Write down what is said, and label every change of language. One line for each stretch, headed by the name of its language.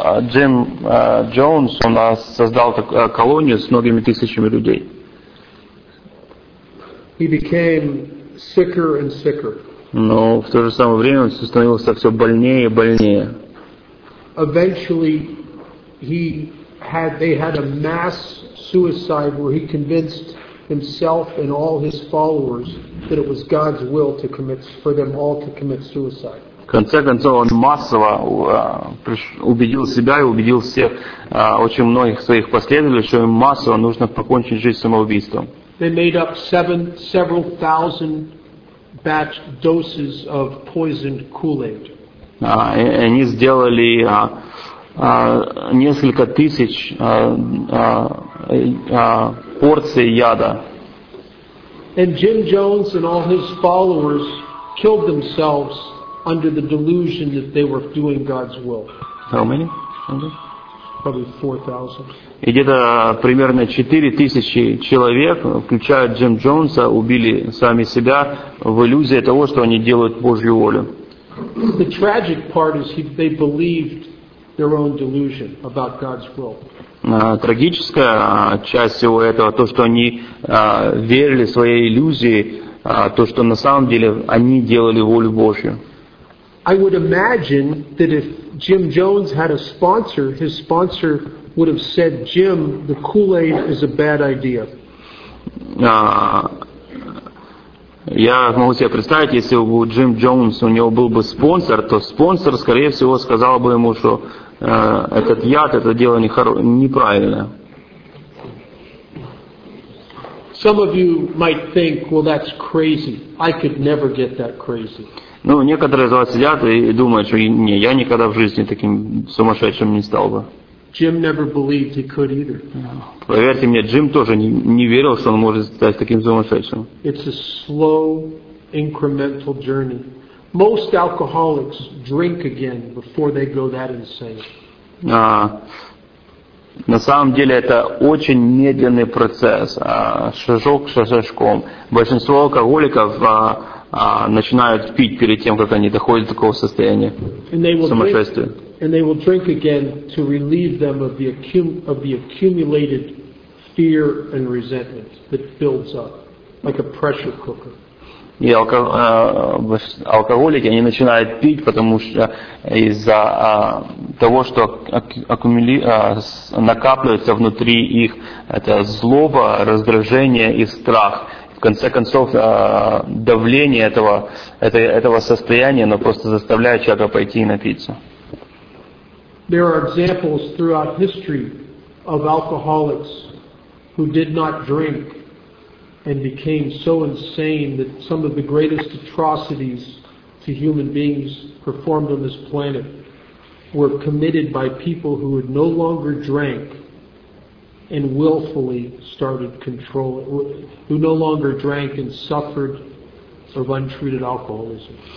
Russian: Jim Jones, он создал колонию с многими тысячами людей.
English: He became sicker and sicker.
Russian: Но в то же самое время он становился все больнее и больнее.
English: Eventually, they had a mass suicide where he convinced himself and all his followers that it was God's will to commit for them all to commit suicide.
Russian: В конце концов, он массово убедил себя и убедил всех, очень многих своих последователей, что им массово нужно покончить жизнь самоубийством.
English: They made up several thousand batch doses of poisoned Kool-Aid.
Russian: Они сделали несколько тысяч порций яда.
English: And Jim Jones and all his followers killed themselves under the delusion that they were doing God's will. How many? Probably 4,000.
Russian: И где-то примерно 4,000 человек, включая Джим Джонса, убили сами себя в иллюзии того, что они делают Божью волю.
English: The tragic part is they believed their own delusion about God's will.
Russian: Трагическая часть всего этого то, что они верили своей иллюзии, то, что на самом деле они делали волю Божью.
English: I would imagine that if Jim Jones had a sponsor, his sponsor would have said, "Jim, the Kool-Aid is a bad idea."
Russian: Я могу себе представить, если бы у Джим Джонс у него был бы спонсор, то спонсор, скорее всего, сказал бы ему, что этот яд, это дело неправильное.
English: Some of you might think, well, that's crazy. I could never get that crazy.
Russian: Ну, некоторые из вас сидят и думают, что не, я никогда в жизни таким сумасшедшим не стал бы.
English: Jim never believed he could either.
Russian: Поверьте мне, Джим тоже не верил, что он может стать таким сумасшедшим.
English: It's a slow, incremental journey. Most alcoholics drink again before they go that insane.
Russian: На самом деле это очень медленный процесс, шажок за шажком. Большинство алкоголиков начинают пить перед тем, как они доходят до такого состояния сумасшествия.
English: And they will drink again to relieve them of the accumulated fear and resentment that builds up, like a pressure cooker.
Russian: Алкоголики, они начинают пить, потому что из-за того, что накапливается внутри их это злоба, раздражение и страх. В конце концов, давление этого состояния, оно просто заставляет человека пойти и напиться.
English: There are examples throughout history of alcoholics who did not drink and became so insane that some of the greatest atrocities to human beings performed on this planet were committed by people who had no longer drank and willfully started controlling, who no longer drank and suffered of untreated alcoholism.